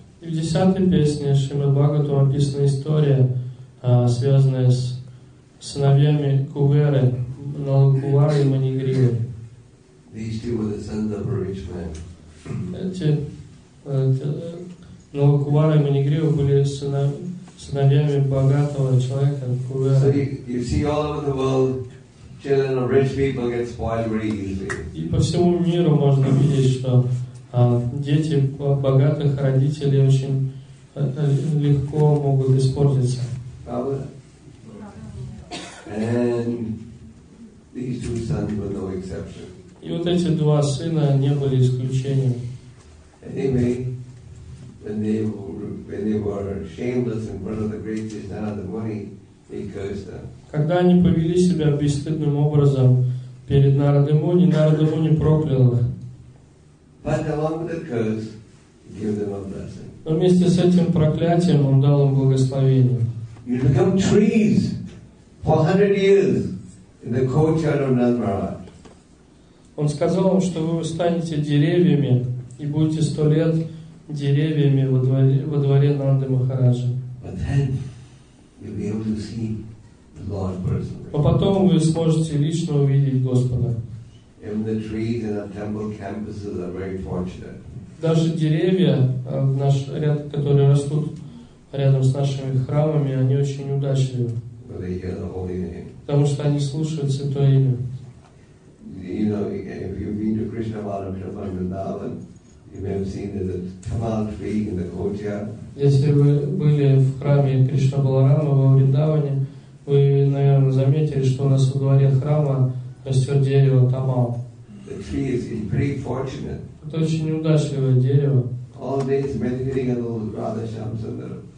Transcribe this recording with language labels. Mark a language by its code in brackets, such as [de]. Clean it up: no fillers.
[ru] И в 10-й песне Шримад Бхагаватам описана история, связанная с сыновьями Куверы, Налакувары и Манигривы. [en] These two were the sons of a rich man. [ru] Эти Налакувары и Манигривы были сыновьями богатого человека. [en] So you see all over the world, children of rich people get spoiled very easily. [ru] И по всему миру можно видеть, что дети богатых родителей очень легко могут испортиться. [en] And these two sons were no exception. [ru] И вот эти два сына не были исключением. [en] Anyway, when they were shameless in front of the great Krishna, the Muni, he cursed them. [ru] Когда они повели себя бесстыдным образом перед Нарада Муни, Нарада Муни проклял их. [en] But along with the curse, he gave them a blessing. [ru] Но вместе с этим проклятием он дал им благословение. [en] You become trees for 100 years in the courtyard of Nandmaharaj. [ru] Он сказал им, что вы станете деревьями и будете 100 лет деревьями во дворе Нанды Махараджи. [en] But then you'll be able to see the Lord personally. [ru] А потом вы сможете лично увидеть Господа. [en] Even the trees in our temple campuses are very fortunate. [ru] Даже деревья, наш ряд, которые растут рядом с нашими храмами, они очень удачливы. [en] But they hear the holy name. [ru] Потому что они слушают Святое Имя. [en] You know, if you've been to Krishna Mahamudra from Vrindavan, you may have seen the tamal tree in the courtyard. [ru] Если вы были в храме Кришна Баларама во Вриндаване, вы, наверное, заметили, что у нас во дворе храма растет дерево тамал. [en] The tree is pretty fortunate. [ru] Это очень удачливое дерево. [en] All day it's meditating on the Radha Shyamasundara.